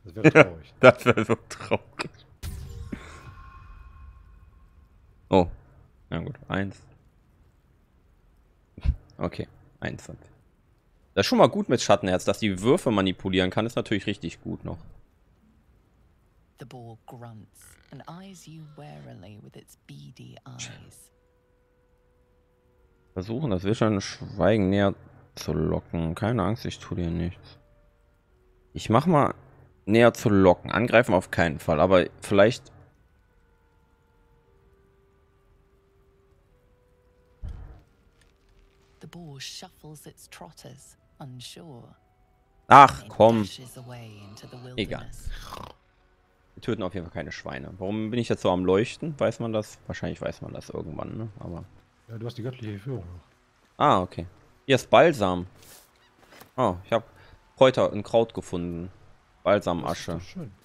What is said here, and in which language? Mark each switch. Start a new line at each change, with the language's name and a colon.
German: Das wäre traurig. Ja, das wäre so traurig. Oh. Na gut. 1. Okay. 1. Das ist schon mal gut mit Schattenherz, dass die Würfe manipulieren kann, ist natürlich richtig gut noch.
English: The ball grunts and eyes you warily with its beady eyes.
German: Versuchen, das wird schon Schweigen näher zu locken. Keine Angst, ich tue dir nichts. Ich mach mal näher zu locken. Angreifen auf keinen Fall, aber vielleicht
English: the boar shuffles its trotters, unsure.
German: Ach komm. Egal. Wir töten auf jeden Fall keine Schweine. Warum bin ich jetzt so am Leuchten? Weiß man das? Wahrscheinlich weiß man das irgendwann, ne? Aber. Ja, du hast die göttliche Führung. Ah, okay. Hier ist Balsam. Oh, ich habe Kräuter und Kraut gefunden. Balsamasche. Das ist schön.